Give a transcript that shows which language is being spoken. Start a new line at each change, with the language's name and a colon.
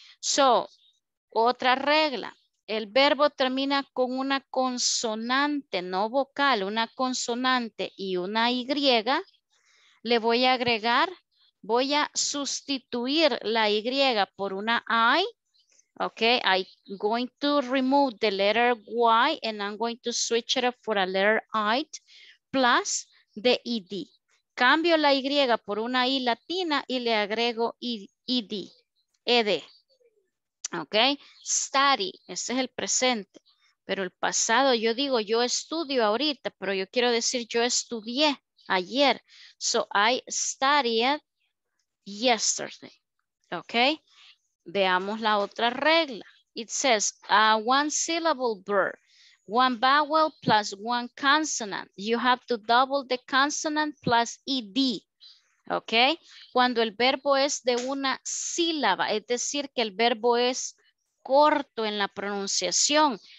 Spanish: So otra regla. El verbo termina con una consonante, no vocal, una consonante y una Y, le voy a agregar, voy a sustituir la Y por una I,
English: Okay, I'm going to remove the letter Y and I'm going to switch it up for a letter I plus the ED.
Spanish: Cambio la Y por una I latina y le agrego ED. ED. Okay, study, ese es el presente. Pero el pasado, yo digo, yo estudio ahorita, pero yo quiero decir, yo estudié ayer.
English: So I studied yesterday. Okay,
Spanish: veamos la otra regla.
English: It says, one syllable verb, one vowel plus one consonant. You have to double the consonant plus ED.
Spanish: Okay, cuando el verbo es de una sílaba, es decir, que el verbo es corto en la pronunciación.